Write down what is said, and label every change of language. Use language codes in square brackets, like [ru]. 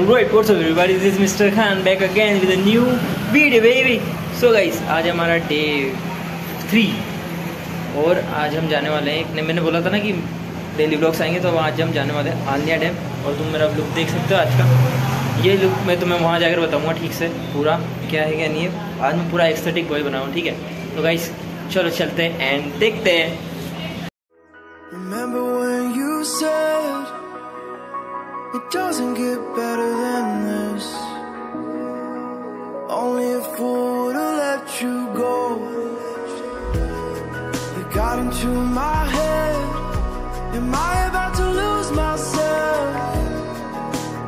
[en] course everybody, this is Mr. Khan back again with a new video baby. [hi] So guys, आज हमारा day 3 और आज हम जाने वाले हैं, मैंने बोला था ना कि daily vlogs आएंगे, तो आज हम जाने वाले हैं आलिया डैम। और तुम मेरा लुक देख सकते हो आज का, ये लुक मैं तुम्हें वहाँ जाकर बताऊँगा ठीक से पूरा क्या है क्या नहीं है। आज मैं पूरा एस्थेटिक बॉय बना हूँ, ठीक है। तो गाइस चलो चलते हैं एंड देखते हैं। [en] Remember when you said it doesn't get better than this, only a fool to let you go. It got into my head, am I about to lose myself?